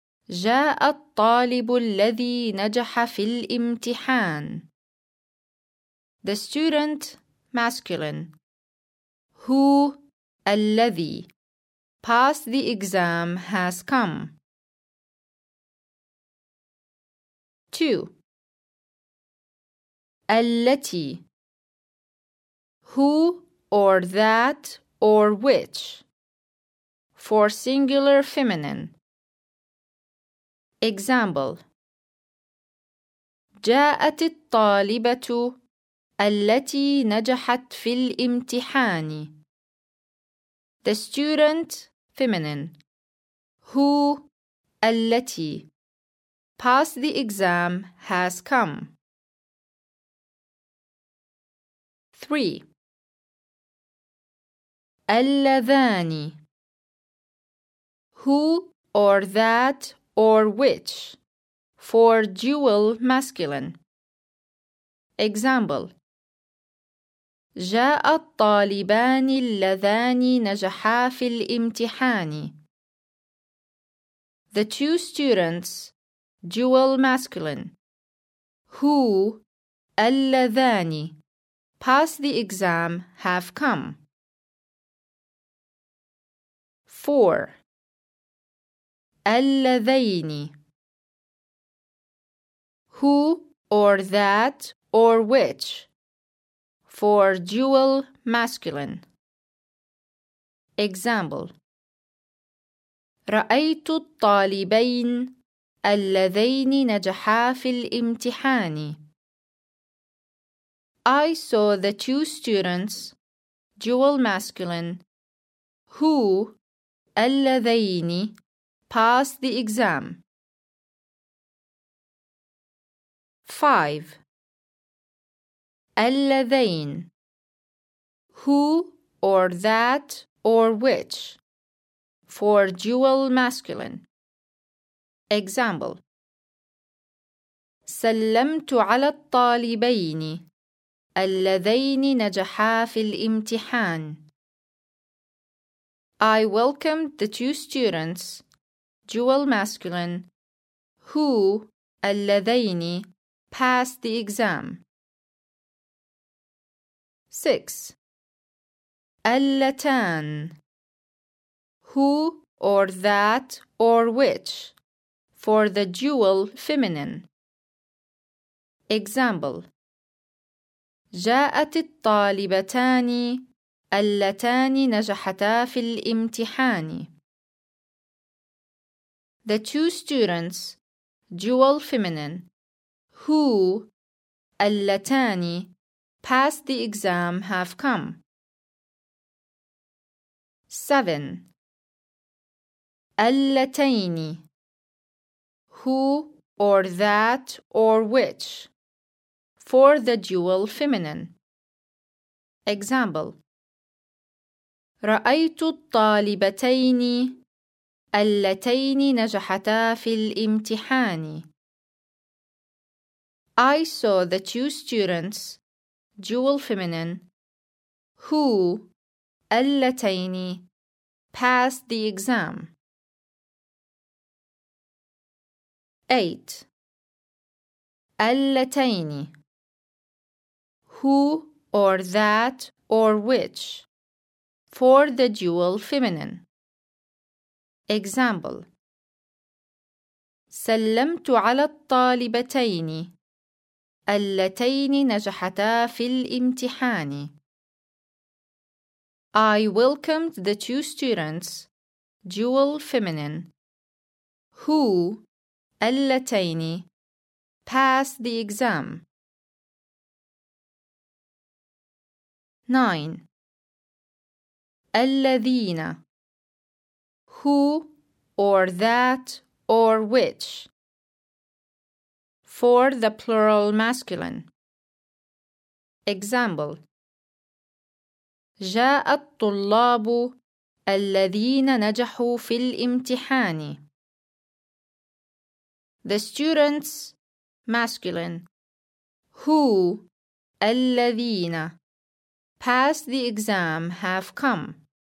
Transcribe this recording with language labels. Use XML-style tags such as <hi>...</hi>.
<ar>جاء الطالب الذي نجح في الامتحان.</ar> <en>The student, masculine. Who, الذي, passed the exam, has come. 2. التي. Who, or that, or which. For singular feminine. Example.</en> <ar>جاءت الطالبة التي نجحت في الامتحان.</ar> <en>The student, feminine. Who, التي, passed the exam, has come. 3. اللذان. Who, or that, or which. For dual masculine. Example.</en> <ar>جاء الطالبان اللذان نجحا في الامتحان.</ar> <en>The two students, dual masculine. Who, اللذان, passed the exam, have come.</en> <ar>4. اللذين.</ar> <en>Who, or that, or which. For dual masculine. Example.</en> <ar>رأيت الطالبين اللذين نجحا في الامتحان.</ar> <en>I saw the two students, dual masculine, who, اللذين, passed the exam.</en> <ar>5. اللذين.</ar> <en>Who, or that, or which. For dual masculine. Example.</en> <ar>سلمت على الطالبين اللذين نجحا في الامتحان.</ar> <en>I welcomed the two students, dual masculine, who, اللذين, passed the exam.</en> <ar>6. اللتان.</ar> <en>Who, or that, or which. For the dual feminine. Example.</en> <ar>جاءت الطالبتان اللتان نجحتا في الامتحان.</ar> <en>The two students, dual feminine. Who, اللتان, passed the exam, have come.</en> <ar>7. اللتين.</ar> <en>Who, or that, or which. For the dual feminine. Example.</en> <ar>رأيت الطالبتين اللتين نجحتا في الامتحان.</ar> <en>I saw the two students, dual feminine, who, اللتين, passed the exam.</en> <ar>8. اللتين.</ar> <en>Who, or that, or which. For the dual feminine. Example.</en> <ar>سلمت على الطالبتين اللتين نجحتا في الامتحان.</ar> <en>I welcomed the two students, dual feminine, who, اللتين, passed the exam.</en> <ar>9. الذين.</ar> <en>Who, or that, or which. For the plural masculine. Example.</en> <ar>جاء الطلاب الذين نجحوا في الامتحان.</ar> <en>The students, masculine. Who, الذين, passed the exam, have come.</en>